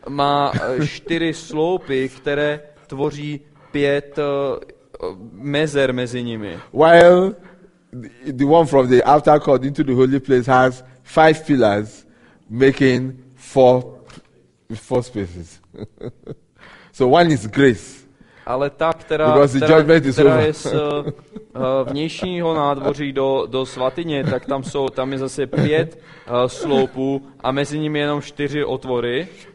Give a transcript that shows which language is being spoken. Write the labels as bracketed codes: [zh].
[cs] Má čtyři sloupy, které tvoří pět mezer mezi nimi. [en] While the one from the outer court into the holy place has five pillars making four spaces. So one is grace. [cs] Ale ta, která je z vnějšího nádvoří do svatyně, tak tam je zase pět sloupů a mezi nimi jenom čtyři otvory.